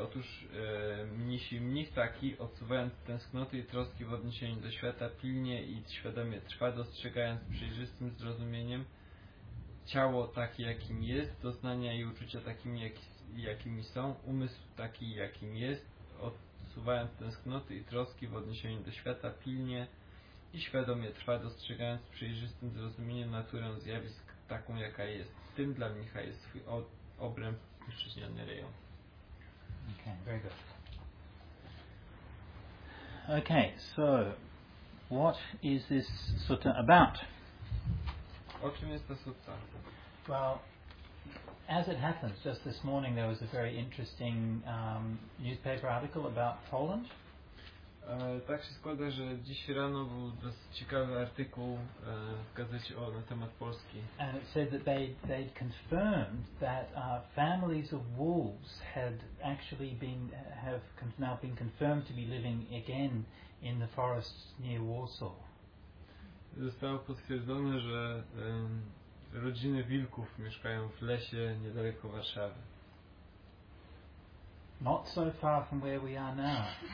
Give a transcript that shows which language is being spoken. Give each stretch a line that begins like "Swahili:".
Polish: Otóż mnisi mnich taki, odsuwając tęsknoty i troski w odniesieniu do świata, pilnie i świadomie trwa, dostrzegając przejrzystym zrozumieniem ciało takie, jakim jest, doznania i uczucia takimi, jakimi są, umysł taki, jakim jest, odsuwając tęsknoty i troski w odniesieniu do świata, pilnie i świadomie trwa, dostrzegając przejrzystym zrozumieniem naturę zjawisk taką, jaka jest. Tym dla mnicha jest swój obręb wyczyniony rejon.
English: Okay. Very good. Okay, so what is this sutta about?
Polish: O czym jest ta sutta?
English: Well, as it happens, just this morning there was a very interesting newspaper article about Poland.
Polish: Tak się składa, że dziś rano był dosyć ciekawy artykuł w gazecie na temat Polski.
English: And it said that they'd confirmed that families of wolves had actually been have now been confirmed to be living again in the forests near Warsaw.
Polish: Zostało potwierdzone, że rodziny wilków mieszkają w lesie niedaleko Warszawy.
English: Not so far from where we are now.